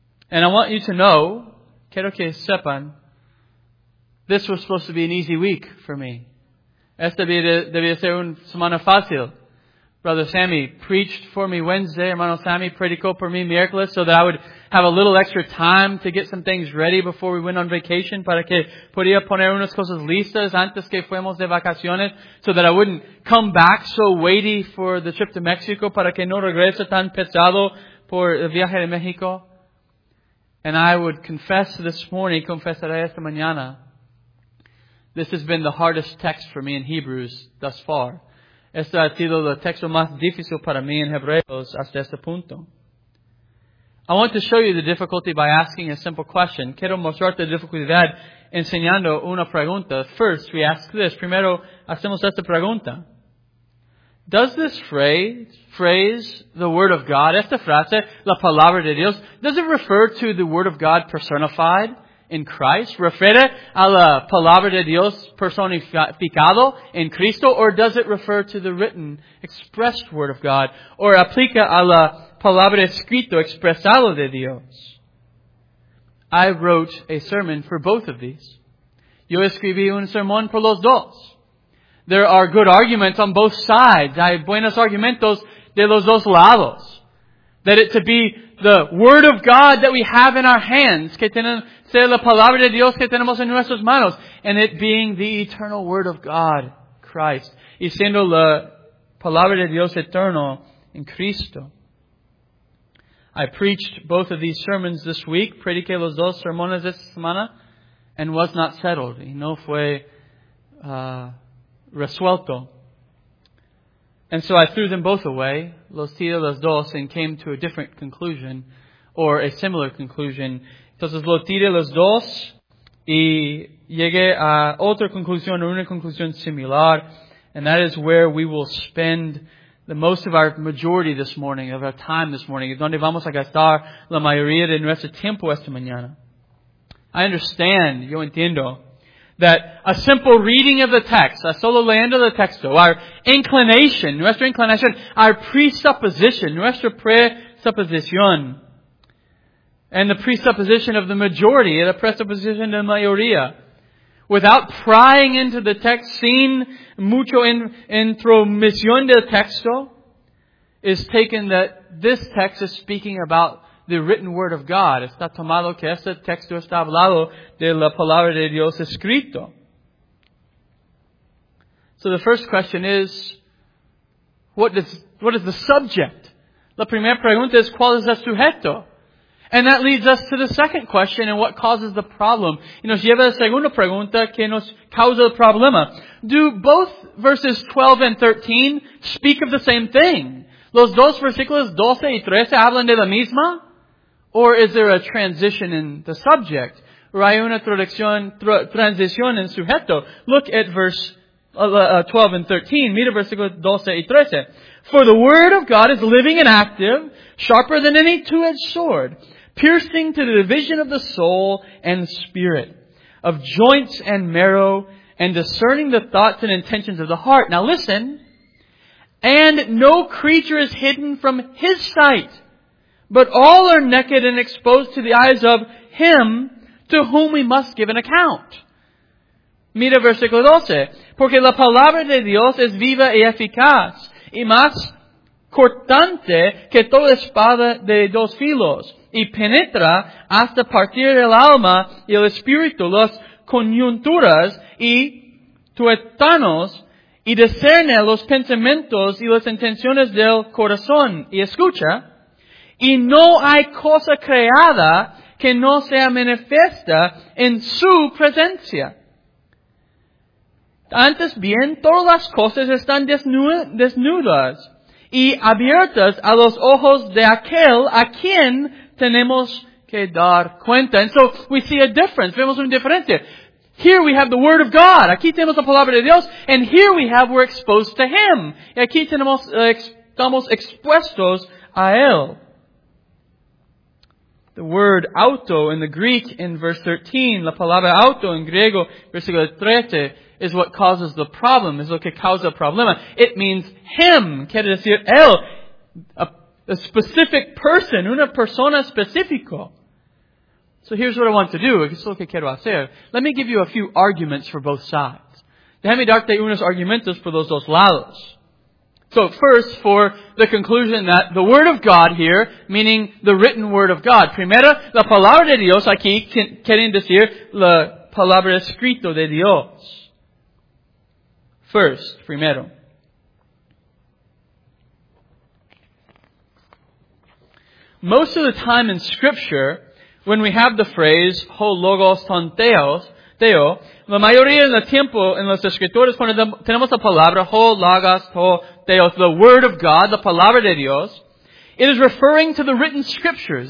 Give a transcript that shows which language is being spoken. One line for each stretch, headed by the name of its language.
English: And I want you to know,
Spanish: quiero que sepan,
English: this was supposed to be an easy week for me.
Spanish: Esta debía ser una semana fácil.
English: Brother Sammy preached for me Wednesday.
Spanish: Hermano Sammy predicó por mí miércoles
English: so that I would have a little extra time to get some things ready before we went on vacation
Spanish: para que podía poner unas cosas listas antes que fuimos de vacaciones
English: so that I wouldn't come back so weighty for the trip to Mexico
Spanish: para que no regrese tan pesado por el viaje de México.
English: And I would confess this morning,
Spanish: confesaré esta mañana,
English: this has been the hardest text for me in Hebrews thus far.
Spanish: Este ha sido el texto más difícil para mí en Hebreos hasta este punto.
English: I want to show you the difficulty by asking a simple question.
Spanish: Quiero mostrarte la dificultad enseñando una pregunta.
English: First, we ask this.
Spanish: Primero, hacemos esta pregunta.
English: Does this phrase, the Word of God,
Spanish: esta frase, la Palabra de Dios,
English: does it refer to the Word of God personified in Christ?
Spanish: ¿Refiere a la Palabra de Dios personificado en Cristo?
English: Or does it refer to the written, expressed Word of God?
Spanish: Or aplica a la Palabra escrito, expresado de Dios?
English: I wrote a sermon for both of these.
Spanish: Yo escribí un sermón por los dos.
English: There are good arguments on both sides.
Spanish: Hay buenos argumentos de los dos lados.
English: That it to be the Word of God that we have in our hands,
Spanish: que tienen ser la Palabra de Dios que tenemos en nuestras manos,
English: and it being the eternal Word of God, Christ,
Spanish: y siendo la Palabra de Dios eterno en Cristo.
English: I preached both of these sermons this week,
Spanish: prediqué los dos sermones esta semana,
English: and was not settled,
Spanish: y no fue resuelto.
English: And so I threw them both away,
Spanish: los tiré los dos,
English: and came to a different conclusion, or a similar conclusion.
Spanish: Entonces los tiré los dos, y llegué a otra conclusión, o una conclusión similar,
English: and that is where we will spend the most of our majority this morning, of our time this morning,
Spanish: donde vamos a gastar la mayoría de nuestro tiempo esta mañana.
English: I understand,
Spanish: yo entiendo,
English: that a simple reading of the text,
Spanish: a solo leyendo el texto,
English: our inclination,
Spanish: nuestra inclination,
English: our presupposition,
Spanish: nuestra presupposición,
English: and the presupposition of the majority, the presupposition
Spanish: de la mayoría,
English: without prying into the text,
Spanish: sin mucho intromisión del texto,
English: is taken that this text is speaking about the written word of God.
Spanish: Está tomado que este texto está hablado de la palabra de Dios escrito.
English: So the first question is, what is the subject?
Spanish: La primera pregunta es, ¿cuál es el sujeto?
English: And that leads us to the second question, and what causes the problem.
Spanish: Y nos lleva a la segunda pregunta, que nos causa el problema.
English: Do both verses 12 and 13 speak of the same thing?
Spanish: Los dos versículos 12 y 13 hablan de la misma?
English: Or is there a transition in the subject?
Spanish: ¿O hay una transición en sujeto?
English: Look at verse 12 and 13.
Spanish: Mira versículos 12 y 13.
English: For the word of God is living and active, sharper than any two-edged sword, piercing to the division of the soul and spirit, of joints and marrow, and discerning the thoughts and intentions of the heart. Now listen. And no creature is hidden from His sight, but all are naked and exposed to the eyes of Him to whom we must give an account.
Spanish: Mira versículo 12. Porque la palabra de Dios es viva y eficaz, y más cortante que toda espada de dos filos, y penetra hasta partir el alma y el espíritu, las coyunturas y tuétanos, y discerne los pensamientos y las intenciones del corazón. Y escucha, y no hay cosa creada que no sea manifiesta en su presencia. Antes bien, todas las cosas están desnudas y abiertas a los ojos de aquel a quien tenemos que dar cuenta.
English: And so, we see a difference.
Spanish: Vemos un diferente.
English: Here we have the Word of God.
Spanish: Aquí tenemos la Palabra de Dios.
English: And here we're exposed to Him.
Spanish: Y aquí tenemos, estamos expuestos a Él.
English: The word auto in the Greek in verse 13,
Spanish: la palabra auto en griego, versículo 13,
English: is what causes the problem, is
Spanish: lo que causa el problema.
English: It means Him,
Spanish: quiere decir Él,
English: a specific person,
Spanish: una persona específico.
English: So here's what I want to do,
Spanish: es lo que quiero hacer.
English: Let me give you a few arguments for both sides.
Spanish: Déjame darte unos argumentos por los dos lados.
English: So first, for the conclusion that the Word of God here, meaning the written Word of God.
Spanish: Primero, la Palabra de Dios aquí, quieren decir la Palabra escrito de Dios.
English: First,
Spanish: primero.
English: Most of the time in Scripture, when we have the phrase, ho logos ton theo,
Spanish: la mayoría del tiempo en los escritores cuando tenemos la palabra,
English: ho logos ton theos, the Word of God,
Spanish: la Palabra de Dios,
English: it is referring to the written Scriptures.